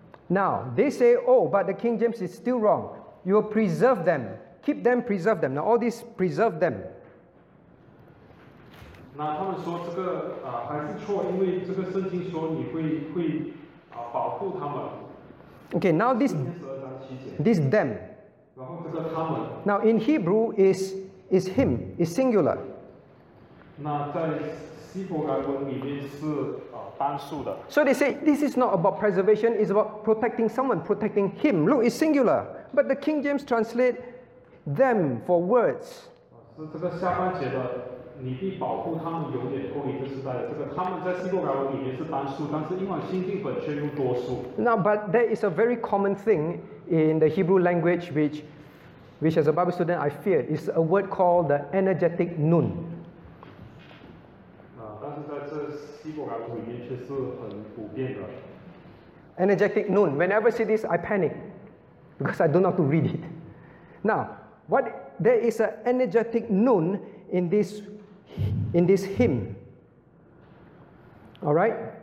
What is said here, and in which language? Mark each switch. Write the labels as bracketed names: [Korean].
[English] Now, they say, oh, but the King James is still wrong. You will preserve them. Keep them, preserve them. Now, all these preserve them. [Chinese] 那他们说这个还是错，因为这个圣经说你会保护他们。 [English] Okay, now this them. [Chinese] 然后这个他们。 [English] Now in Hebrew is him, is singular. [Chinese] 那在希伯来文里面是单数的。 [English] So they say this is not about preservation, it's about protecting someone, protecting him. Look, it's singular. But the King James translate them for words. [Chinese] 是这个下半节的。你必保护他们，永远脱离这时代的。这个他们在希伯来文里面是单数，但是因为新定本却用多数。 [English] Now, but there is a very common thing in the Hebrew language, which as a Bible student I feared, is a word called the energetic nun. [Chinese] 但是在这希伯来文里面却是很普遍的。 [English] Energetic nun. Whenever I see this, I panic because I don't know how to read it. Now, what there is an energetic nun in this. In this hymn. Alright?